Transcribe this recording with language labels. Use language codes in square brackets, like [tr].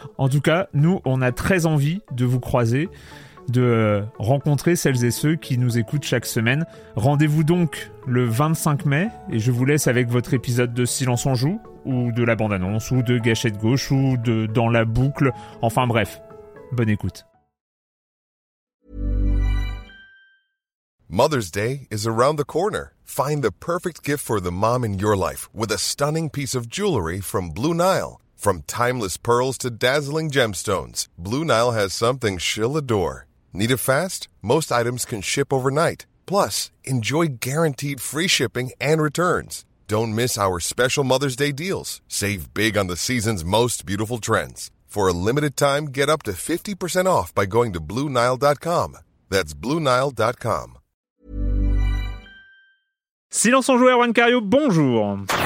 [fr] En tout cas, nous, on a très envie de vous croiser, de rencontrer celles et ceux qui nous écoutent chaque semaine. Rendez-vous donc le 25 mai et je vous laisse avec votre épisode de Silence on Joue, ou de la bande-annonce, ou de Gâchette Gauche, ou de Dans la boucle. Enfin bref, bonne écoute. [en] Mother's Day is around the corner. Find the perfect gift for the mom in your life with a stunning piece of jewelry from Blue Nile. From timeless pearls to dazzling gemstones, Blue Nile has something she'll adore. Need it fast? Most items can ship overnight. Plus, enjoy guaranteed free shipping and returns. Don't miss our special Mother's Day deals. Save big on the season's most beautiful trends. For a limited time, get up to 50% off by going to BlueNile.com. That's BlueNile.com. [fr] Silence on joueur, Juan Cario, bonjour.